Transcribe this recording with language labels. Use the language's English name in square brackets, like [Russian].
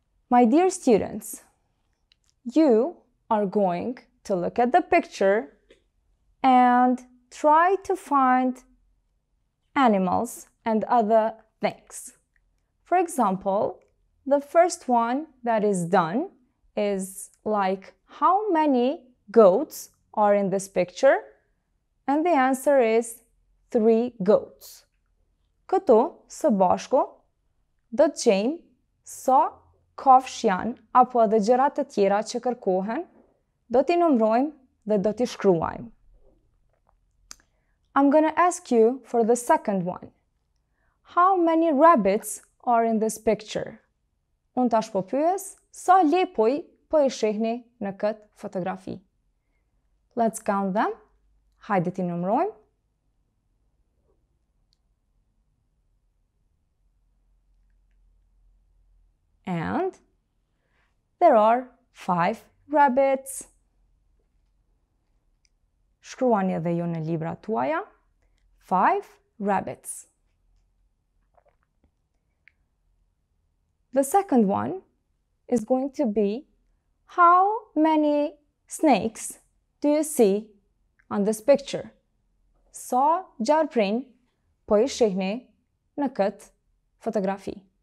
[English] My dear students, you are going to look at the picture and try to find animals and other things. For example, the first one that is done is like, how many goats are in this picture? And the answer is 3 goats. [Albanian] Këto së bashku do të gjejmë sa kafsh janë apo edhe gjërat të tjera që kërkohen, do t'i numrojmë dhe do t'i shkruajmë. [English] I'm going to ask you for the second one. How many rabbits are in this picture? [Albanian] Unë tash po pyes, sa lepuj po i shihni në këtë fotografi? [English] Let's count them. [Albanian] Hajde t'i numrojmë. [English] And there are 5 rabbits. [Albanian] Shkruani edhe ju në libra tuaja. [English] 5 rabbits. The second one is going to be, how many snakes do you see on this picture? [Albanian] Sa gjarprin po i shihni në këtë fotografi?